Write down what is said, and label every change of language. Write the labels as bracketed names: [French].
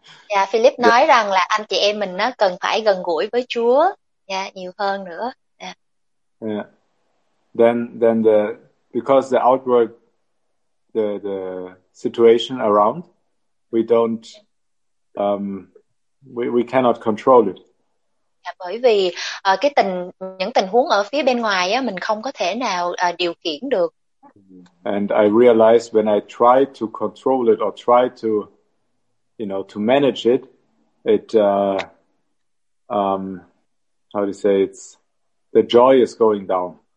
[Vietnamese] Yeah, Philip nói rằng là anh chị em mình nó cần phải gần gũi với Chúa nha, yeah, nhiều hơn nữa. Yeah. [English] Then the because the outward the situation around we don't we cannot control it. [Vietnamese] Bởi vì cái tình những tình huống ở phía bên ngoài á mình không có thể nào điều khiển được. [English] And I realized when I try to control it or try to, you know, to manage it, it how do you say it's the joy is going down.